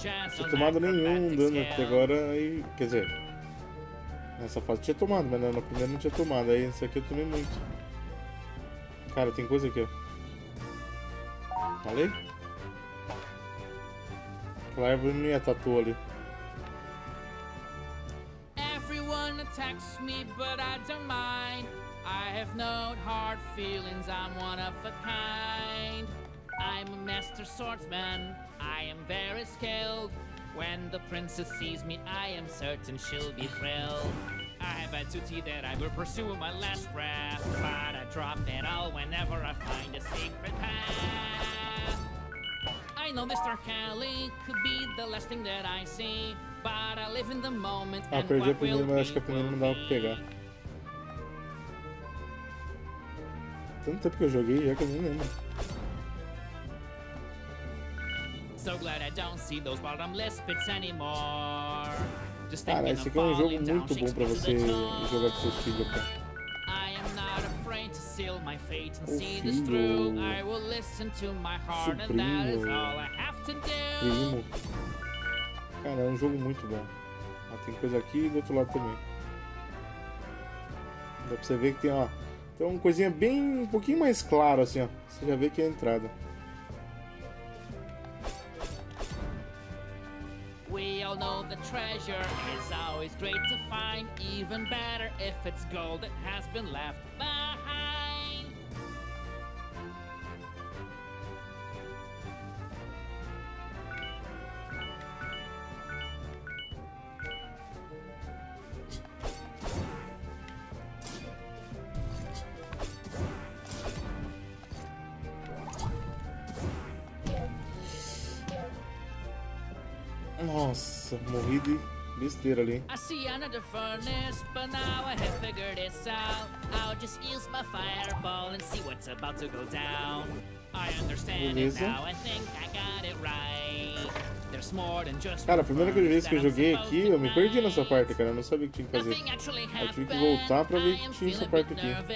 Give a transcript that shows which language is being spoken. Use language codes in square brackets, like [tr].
[pt] Não tinha tomado nenhum dano até agora, aí. Quer dizer, nessa fase tinha tomado, mas na primeira não tinha tomado, aí nessa aqui eu tomei muito. Cara, tem coisa aqui, ó. Falei? Aquela árvore não ia tatuar ali. [en] Everyone attacks me, but I don't mind. I have no hard feelings, I'm one of a kind. I'm a master swordsman, I am very skilled. When the princess sees me, I am certain she'll be thrilled. I have a duty that I will pursue in my last breath, but I drop it all whenever I find a secret path. I know this Dark Alley could be the last thing that I see, but I live in the moment and what will be will be. [pt] Mas acho que a primeira não dá pra pegar. Tanto tempo que eu joguei, já que eu nem lembro. [en] So glad I don't see those bottomless pits anymore. [pt] Cara, esse aqui é um jogo muito bom pra você jogar com seus filhos, cara. [en] I am not afraid to seal my fate and see this through. I will listen to my heart and that is all I have to do. [pt] Primo. Cara, é um jogo muito bom. Ah, tem coisa aqui e do outro lado também. Dá pra você ver que tem, ó. Tem uma coisinha bem. Um pouquinho mais claro assim, ó. Você já vê que é a entrada. [en] Know the treasure is always great to find, even better if it's gold that has been left behind. [pt] Nossa. Morri de besteira ali. [en] I see another furnace, but now I have figured this out. I'll just use my fireball and see what's about to go down. I understand it now, I think I got it right. There's more than just. [pt] Cara, a primeira vez que eu joguei aqui, eu me perdi nessa parte, cara. Eu não sabia o que tinha que fazer. Eu tive que voltar pra ver o que tinha essa parte aqui.